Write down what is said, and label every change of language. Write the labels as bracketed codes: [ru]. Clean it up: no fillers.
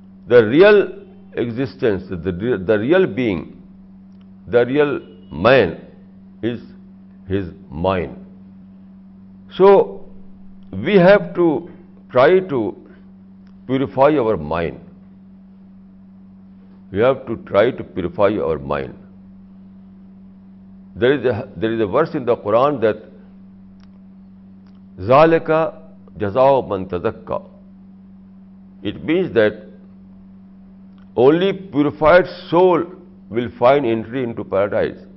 [en] The real existence, the real being, the real man is his mind. So we have to try to purify our mind. We have to try to purify our mind. There is a verse in the قرآن that [ar] ذالک جزاء من تزکا. [en] It means that only purified soul will find entry into paradise.